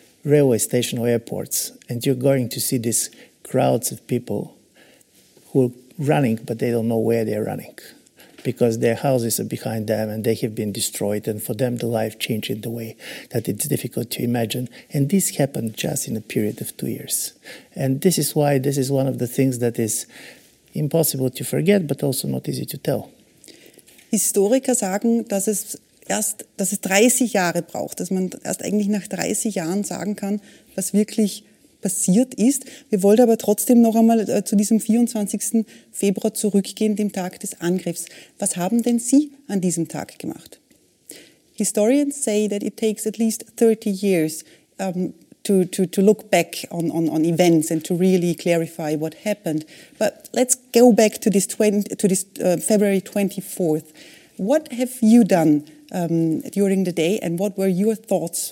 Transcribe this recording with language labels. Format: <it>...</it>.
<en>railway station or airports, and you're going to see these crowds of people who are running, but they don't know where they're running, because their houses are behind them and they have been destroyed, and for them the life changed in the way that it's difficult to imagine. And this happened just in a period of 2 years. And this is why this is one of the things that is impossible to forget, but also not easy to tell.</en> <de>Historiker sagen, dass es 30 Jahre braucht, dass man erst eigentlich nach 30 Jahren sagen kann, was wirklich passiert ist. Wir wollen aber trotzdem noch einmal zu diesem 24. Februar zurückgehen, dem Tag des Angriffs. Was haben denn Sie an diesem Tag gemacht?</de> <en>Historians say that it takes at least 30 years to look back on events and to really clarify what happened. But let's go back to February 24th. What have you done during the day, and what were your thoughts?</en>